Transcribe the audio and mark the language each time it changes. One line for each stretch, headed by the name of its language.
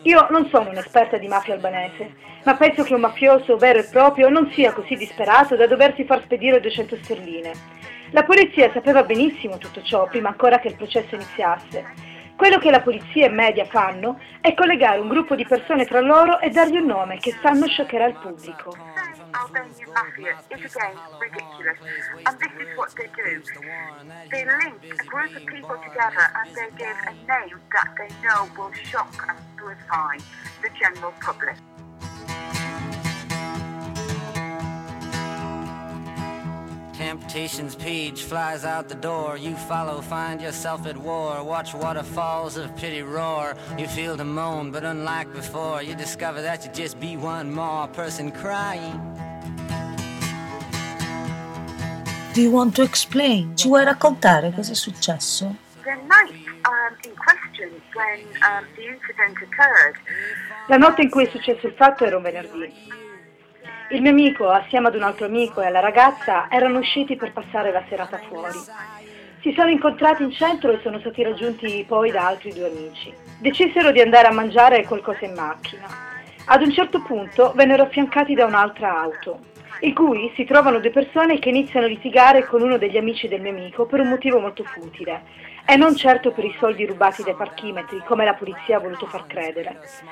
Italian: Io non sono un'esperta di mafia albanese, ma penso che un mafioso vero e proprio non sia così disperato da doversi far spedire 200 sterline. La polizia sapeva benissimo tutto ciò prima ancora che il processo iniziasse. Quello che la polizia e media fanno è collegare un gruppo di persone tra loro e dargli un nome che sanno scioccherà il pubblico.
English: Albanian mafia is again ridiculous, and this is what they do. They link a group of people together and they give a name that they know will shock and terrify the general public. Temptations page flies out the door. You follow, find yourself at war. Watch waterfalls of pity roar. You feel the moan, but unlike before, you discover that you just be one more person crying. Do you want to explain?
Italian: Ci vuoi raccontare cosa è successo?
English: The night in question when the incident occurred.
Italian: La notte in cui è successo il fatto era un venerdì. Il mio amico, assieme ad un altro amico e alla ragazza, erano usciti per passare la serata fuori. Si sono incontrati in centro e sono stati raggiunti poi da altri due amici. Decisero di andare a mangiare qualcosa in macchina. Ad un certo punto vennero affiancati da un'altra auto, in cui si trovano due persone che iniziano a litigare con uno degli amici del mio amico per un motivo molto futile, e non certo per i soldi rubati dai parchimetri, come la polizia ha voluto far credere.